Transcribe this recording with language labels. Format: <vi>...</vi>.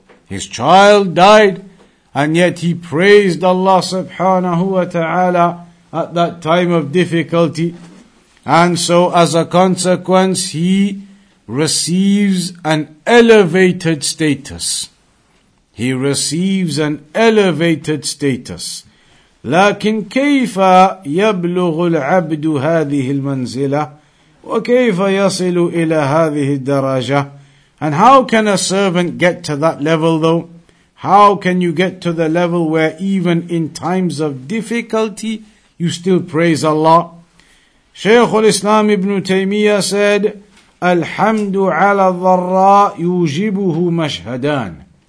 <en>His child died, and yet he praised Allah subhanahu wa ta'ala at that time of difficulty. And so as a consequence, he receives an elevated status. He receives an elevated status.</en> <ar>لكن كيف يبلغ العبد هذه المنزلة وكيف يصل إلى هذه الدرجة.</ar> <en>And how can a servant get to that level though? How can you get to the level where even in times of difficulty, you still praise Allah? Shaykh al-Islam ibn Taymiyyah said, Alhamdu ala dharra yujibuhu mashhadan.</en>